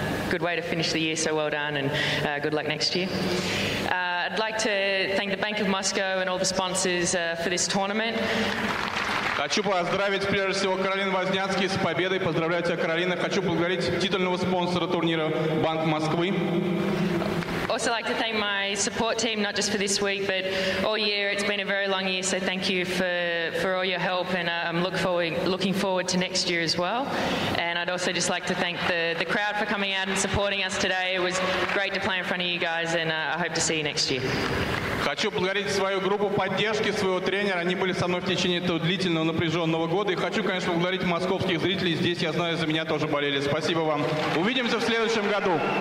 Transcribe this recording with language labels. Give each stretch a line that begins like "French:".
English: Good way to finish the year, so well done, and good luck next year. I'd like to thank the Bank of Moscow and all the sponsors for this tournament.
Russian: Хочу поздравить прежде всего Каролину Возняцких с победой. Поздравляю тебя, Каролина. Хочу поблагодарить титульного спонсора турнира Банк Москвы.
English: Also like to thank my support team, not just for this week, but all year. It's been a very long year, so thank you for all your help, and I'm looking forward to next year as well. And I'd also just like to thank the crowd for coming out and supporting us today. It was great to play in front of you guys, and I hope to see you next year.
Russian: Хочу поблагодарить свою группу поддержки, своего тренера. Они были со мной в течение этого длительного напряженного года. И хочу, конечно, поблагодарить московских зрителей. Здесь, я знаю, за меня тоже болели. Спасибо вам. Увидимся в следующем году.